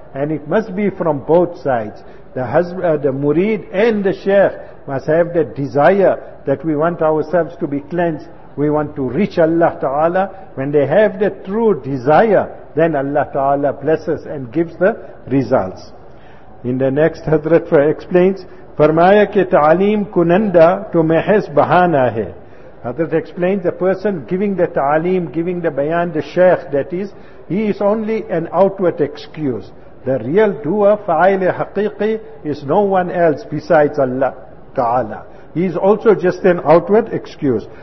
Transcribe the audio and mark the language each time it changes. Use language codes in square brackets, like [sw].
[en] And it must be from both sides. The murid and the sheikh must have the desire that we want ourselves to be cleansed. We want to reach Allah Ta'ala. When they have the true desire, then Allah Ta'ala blesses and gives the results. In the next, Hazrat explains, [ur] فَرْمَایَا کہ تعلیم کُنَنْدَا تو محس بہانہ ہے. [en] Hazrat explains, the person giving the ta'aleem, giving the bayan, the shaykh, that is, he is only an outward excuse. The real doer, [ar] فَعَيْلِ حَقِيقِ, [en] is no one else besides Allah Ta'ala. He is also just an outward excuse.